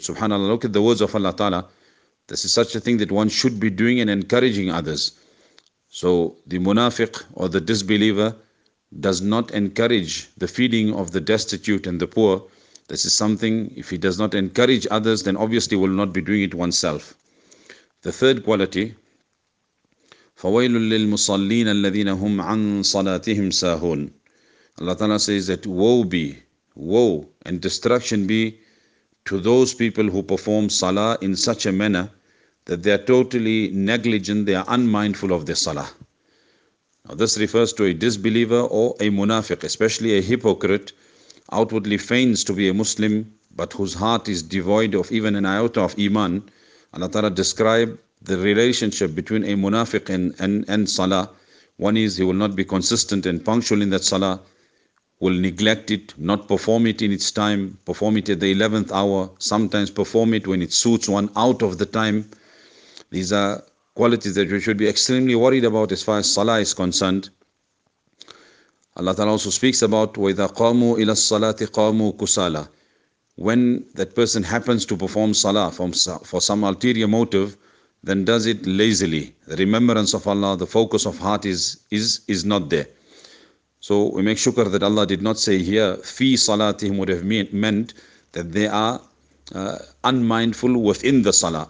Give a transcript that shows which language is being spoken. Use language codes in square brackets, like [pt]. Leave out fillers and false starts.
[en] Subhanallah, look at the words of Allah Ta'ala. This is such a thing that one should be doing and encouraging others. So the munafiq or the disbeliever does not encourage the feeding of the destitute and the poor. This is something, if he does not encourage others, then obviously will not be doing it oneself. The third quality, [ar] فَوَيْلٌ لِلْمُصَلِّينَ الَّذِينَ هُمْ عَنْ صَلَاتِهِمْ سَاهُونَ. [en] Allah Ta'ala says that woe and destruction be to those people who perform salah in such a manner that they are totally negligent, they are unmindful of their salah. Now this refers to a disbeliever or a munafiq, especially a hypocrite, outwardly feigns to be a Muslim, but whose heart is devoid of even an iota of iman. Allah Ta'ala describe the relationship between a munafiq and salah. One is, he will not be consistent and punctual in that salah, will neglect it, not perform it in its time, perform it at the 11th hour, sometimes perform it when it suits one out of the time. These are qualities that we should be extremely worried about as far as salah is concerned. Allah Ta'ala also speaks about [ar] وَإِذَا قَامُوا إِلَى الصَّلَاةِ قَامُوا كُسَالَى. [en] When that person happens to perform salah for some ulterior motive, then does it lazily. The remembrance of Allah, the focus of heart is not there. So we make shukr that Allah did not say here fi salatihim, would have meant that they are unmindful within the salah.